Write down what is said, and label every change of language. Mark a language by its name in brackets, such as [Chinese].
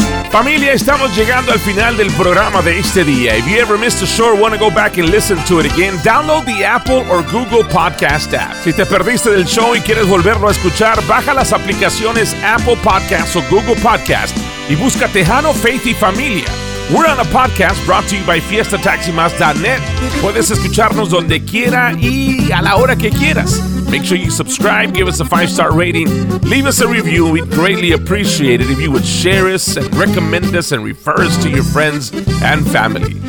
[Spanish] Familia, estamos llegando al final del programa de este día. [English] If you ever missed a show or want to go back and listen to it again, download the Apple or Google Podcast app. [Spanish] Si te perdiste del show y quieres volverlo a escuchar, baja las aplicaciones Apple Podcast o Google Podcast y busca Tejano, Faith y Familia. [English] We're on a podcast brought to you by FiestaTaxiMas.net. [Spanish] Puedes escucharnos donde quiera y a la hora que quieras. [English] Make sure you subscribe, give us a 5-star rating, leave us a review. We'd greatly appreciate it if you would share us and recommend us and refer us to your friends and family.